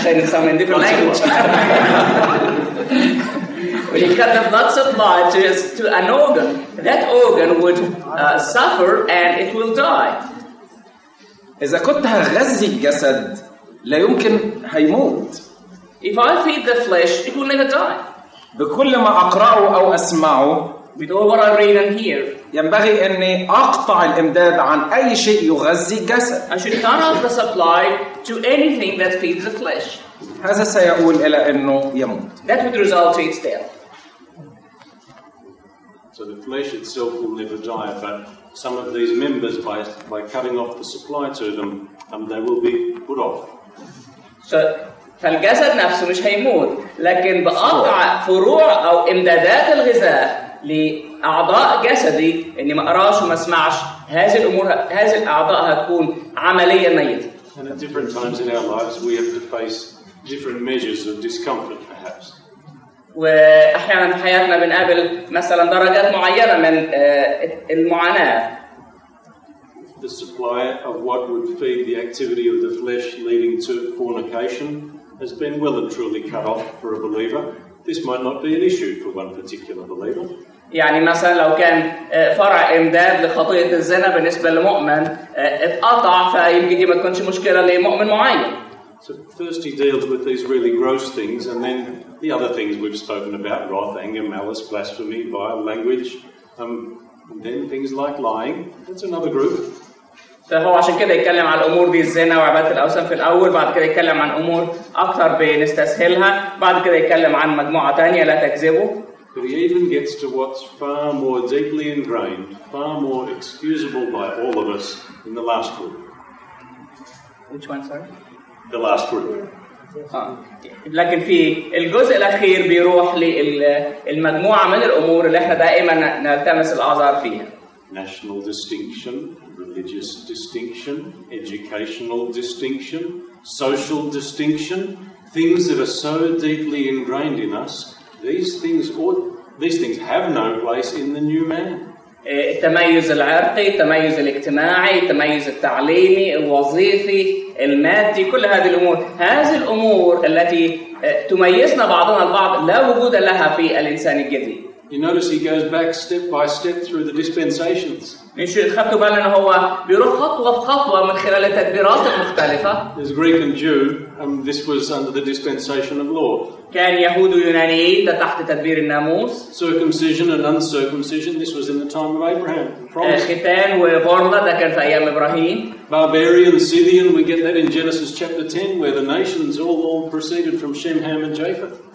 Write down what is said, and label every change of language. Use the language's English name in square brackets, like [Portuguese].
[English] say in some different language? When you cut the blood supply to an organ, that organ would suffer and it will die. [Arabic] إذا كنت هغذي الجسد لا يمكن هيموت. [English] If I feed the flesh, it will never die. [Arabic] بكل ما أقرأه أو أسمعه. [English] With all what I read and hear. [Arabic] ينبغي أني أقطع الإمداد عن أي شيء يغذي الجسد. [English] I should cut off the supply to anything that feeds the flesh. [Arabic] هذا سيؤول إلى أنه يموت. [English] That would result to its death. So the flesh itself will never die, but some of these members by cutting off the supply to them, they will be put off. [Arabic] So فالجسد نفسه مش هيموت، لكن بقطع فروع أو إمدادات الغذاء لأعضاء جسدي إني ما أراش وما أسمعش هذه الأمور هذه الأعضاء هتكون عملية ميتة. [English] And at different times in our lives we have to face different measures of discomfort perhaps. [Arabic] وأحيانا في حياتنا بنقابل مثلا درجات معينة من المعاناة. [English] The supply of what would feed the activity of the flesh leading to fornication has been well and truly cut off for a believer. this might not be an issue for one particular believer. [Arabic] يعني مثلا لو كان فرع امداد لخطيئة الزنا بالنسبة للمؤمن اتقطع فيمكن دي ما تكونش مشكلة لمؤمن معين. [English] So first he deals with these really gross things and then the other things we've spoken about, wrath, anger, malice, blasphemy, vile language, and then things like lying, that's another group. [Arabic] فهو عشان كده يتكلم على الأمور دي الزنا وعبادة الأوثان في الأول بعد كده يتكلم عن أمور أكثر بنستسهلها بعد كده يتكلم عن مجموعة تانية لا تكذبوا. [English] But he even gets to what's far more deeply ingrained, far more excusable by all of us in the last group. Which one, sorry? The last group. [Arabic] لكن في الجزء الأخير بيروح للمجموعة من الأمور اللي احنا دائما نلتمس الأعذار فيها. [English] National distinction, religious distinction, educational distinction, social distinction, things that are so deeply ingrained in us. These things have no place in the new man. [Arabic] التميز العرقي، التميز الاجتماعي، التميز التعليمي، الوظيفي، المادي، كل هذه الأمور. هذه الأمور التي تميزنا بعضنا البعض لا وجود لها في الإنسان الجديد. [English] You notice he goes back step by step through the dispensations. [Arabic] خدتوا بالنا أنه هو بيروح خطوة بخطوة من خلال التدبيرات المختلفة. [English] There's Greek and Jew, and this was under the dispensation of law. [Arabic] كان يهود ويونانيين تحت تدبير الناموس. [English] Circumcision and uncircumcision, this was in the time of Abraham. [Arabic] ختان وبرمة ده كان في أيام إبراهيم. [English] Barbarian, Scythian, we get that in Genesis chapter 10, where the nations all proceeded from Shem, Ham, and Japheth.